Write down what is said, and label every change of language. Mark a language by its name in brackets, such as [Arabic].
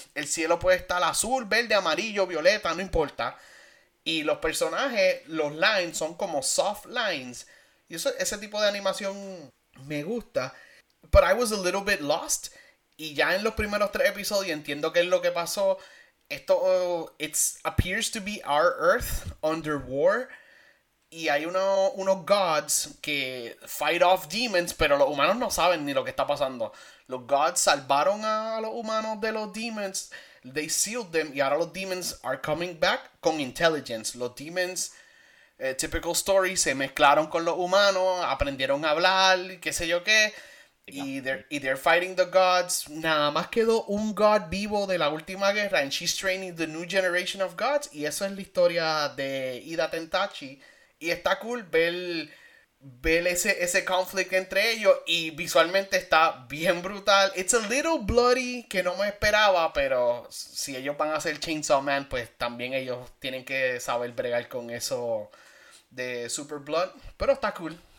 [Spanish] El cielo puede estar azul, verde, amarillo, violeta, no importa. Y los personajes, los lines, son como soft lines. Y eso, ese tipo de animación me gusta. [English] But I was a little bit lost. [Spanish] Y ya en los primeros tres episodios entiendo qué es lo que pasó. [English] Esto, appears to be our Earth under war. [Spanish] Y hay unos gods que [English] fight off demons, [Spanish] pero los humanos no saben ni lo que está pasando. Los gods salvaron a los humanos de los demons. [English] They sealed them. [Spanish] Y ahora los demons [English] are coming back [Spanish] con intelligence. Los demons, [English] typical story, [Spanish] se mezclaron con los humanos, aprendieron a hablar, qué sé yo qué. Y [English] they're fighting the gods. [Spanish] Nada más quedó un god vivo de la última guerra. [English] And she's training the new generation of gods. [Spanish] Y eso es la historia de Ida Tenkaichi. Y está cool ver ese conflict entre ellos. Y visualmente está bien brutal. [English] It's a little bloody [Spanish] que no me esperaba. Pero si ellos van a ser Chainsaw Man, pues también ellos tienen que saber bregar con eso de Super Blood. Pero está cool.